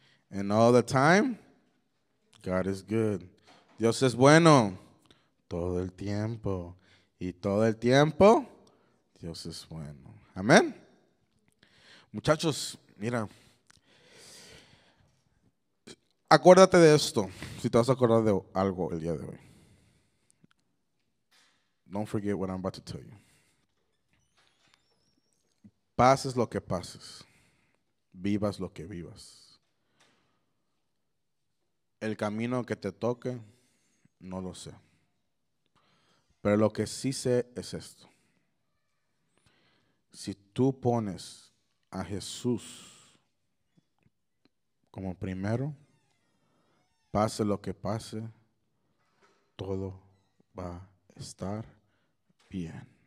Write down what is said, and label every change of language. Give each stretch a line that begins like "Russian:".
English: And all the time, God is good.
Spanish: Dios es bueno todo el tiempo. Y todo el tiempo, Dios es bueno. Amén. Muchachos, mira. Acuérdate de esto, si te vas a acordar de algo el día de hoy.
English: Don't forget what I'm about to tell you.
Spanish: Pases lo que pases, vivas lo que vivas. El camino que te toque, no lo sé. Pero lo que sí sé es esto. Si tú pones a Jesús como primero, pase lo que pase, todo va a estar bien.